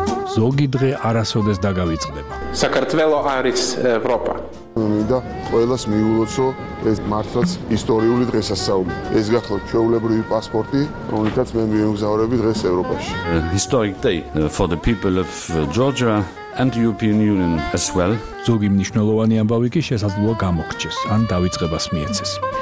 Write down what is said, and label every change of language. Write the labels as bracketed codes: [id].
[ka] ზოგი დღე არასოდეს დაგავიწყდება. საქართველო არის ევროპა. მინდა ყოველას მიულოცო ეს მართლაც ისტორიული დღესასწაული. ეს გახლავთ ჩვეულებრივი პასპორტი, რომელიც მე მიემგზავრები დღეს ევროპაში. [en] Historic day for the people of Georgia and the European Union as well. [ka] ზოგი მნიშვნელოვანი ამბავი კი შესაძლოა გამოგჩეს ან დაიწყებას მიეცეს.